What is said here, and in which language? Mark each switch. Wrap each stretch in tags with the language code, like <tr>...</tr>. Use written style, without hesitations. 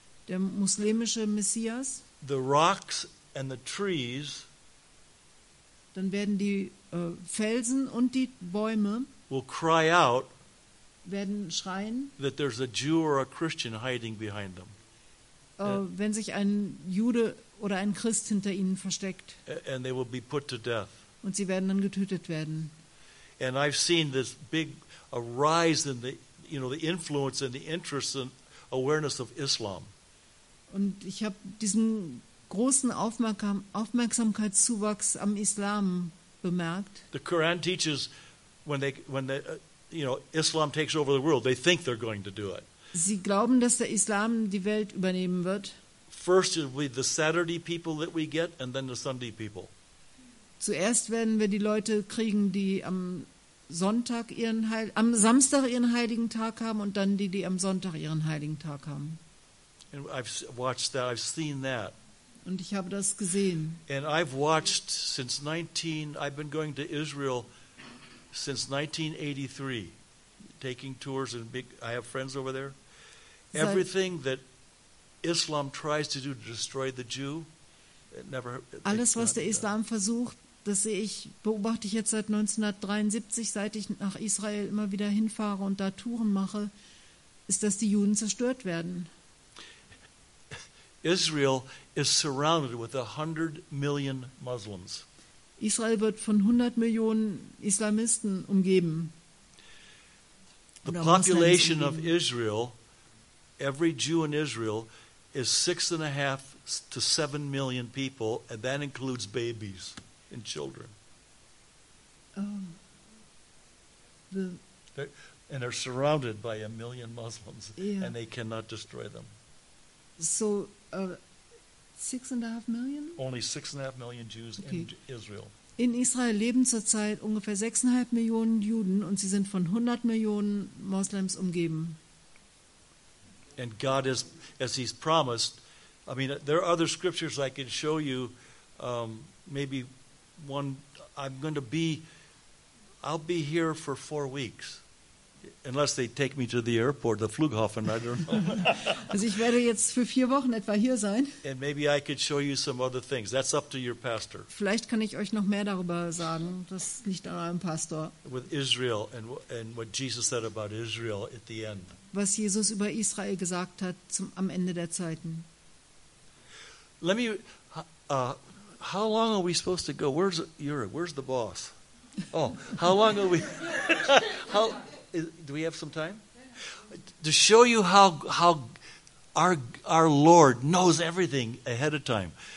<de>Der muslimische Messias.</de> <en>The rocks and the trees.</en> <de>Dann werden die Felsen und die Bäume.</de> <en>Will cry out.</en> <de>Werden schreien.</de> <en>That there's a Jew or a Christian hiding behind them.</en> <de>Wenn sich ein Jude oder ein Christ hinter ihnen versteckt.</de> <en>And they will be put to death.</en> <de>Und sie werden dann getötet werden.</de> <en>And I've seen this big a rise in the, you know, the influence and the interest and awareness of Islam.</en> <de>Und ich habe diesen großen Aufmerksamkeitszuwachs am Islam bemerkt.</de> <en>The Quran teaches when they you know, Islam takes over the world, they think they're going to do it.</en> <de>Sie glauben, dass der Islam die Welt übernehmen wird.</de> <en>First it will be the Saturday people that we get and then the Sunday people.</en> <de>Zuerst werden wir die Leute kriegen, die am Sonntag ihren am Samstag ihren heiligen Tag haben und dann die am Sonntag ihren heiligen Tag haben.</de> <en>And I've watched that. I've seen that.</en> <de>Und ich habe das gesehen.</de> <en>And I've watched since 19. I've been going to Israel since 1983, taking tours and big. I have friends over there. Everything that Islam tries to do to destroy the Jew, it never.</en> <de>Alles, was der Islam versucht, Das sehe ich, beobachte ich jetzt seit 1973, seit ich nach Israel immer wieder hinfahre und da Touren mache, ist, dass die Juden zerstört werden.</de> <en>Israel is surrounded with 100 million Muslims.</en> <de>Israel wird von 100 Millionen Islamisten umgeben.</de> <en>The population of Israel, every Jew in Israel, is 6.5 to 7 million people, and that includes babies and children. And they're surrounded by a million Muslims, yeah. And they cannot destroy them. So, 6.5 million? Only 6.5 million Jews, okay. In Israel.</en> <de>In Israel leben zurzeit ungefähr 6.5 Millionen Juden und sie sind von 100 Millionen Moslems umgeben.</de> <en>And God is, as He's promised, I mean, there are other scriptures I can show you, maybe one, I'll be here for 4 weeks. Unless they take me to the airport, the Flughafen, I don't know.</en> <de>Also ich werde jetzt für 4 Wochen etwa hier sein.</de> <en>And maybe I could show you some other things. That's up to your pastor.</en> <de>Vielleicht kann ich euch noch mehr darüber sagen. Das liegt an eurem Pastor.</de> <en>With Israel and what Jesus said about Israel at the end.</en> <de>Was Jesus über Israel gesagt hat am Ende der Zeiten.</de> <en>Let me, how long are we supposed to go? Where's Yuri? Where's the boss? Oh, how long are we? Do we have some time? To show you how our Lord knows everything ahead of time.</en>